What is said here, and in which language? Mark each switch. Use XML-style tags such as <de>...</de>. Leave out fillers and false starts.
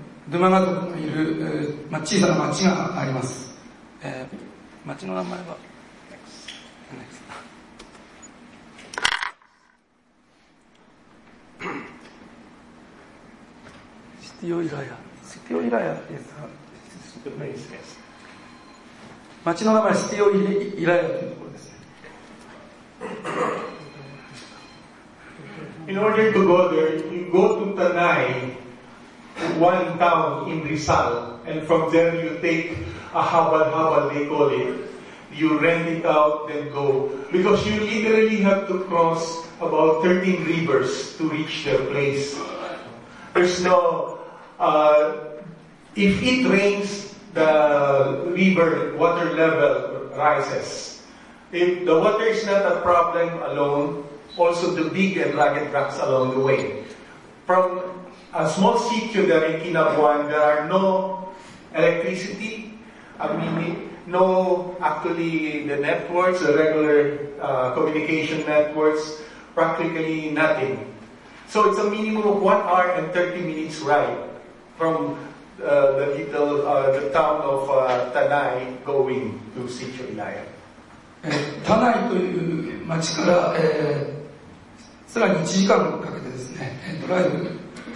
<ja>ドゥマガ族のいる小さな町があります。町の名前は シティオイライア。町の名前はシティオイライアというところですね。</ja> <en>In order to go there, you go to Tanay, one town in Rizal, and from there you take a habal-habal, they call it. You rent it out, then go. Because you literally have to cross about 13 rivers to reach the place. There's no... If it rains, the river water level rises. If the water is not a problem alone, also the big and rugged rocks along the way. From a small city there in Kinabuan, there are no electricity, the networks, the regular communication networks, practically nothing. So it's a minimum of 1 hour and 30 minutes ride from the town of Tanay going to Sitio Ilaya.</en> <ja>Tanay という町から、さらに1時間かけてですね、ドライブ</ja>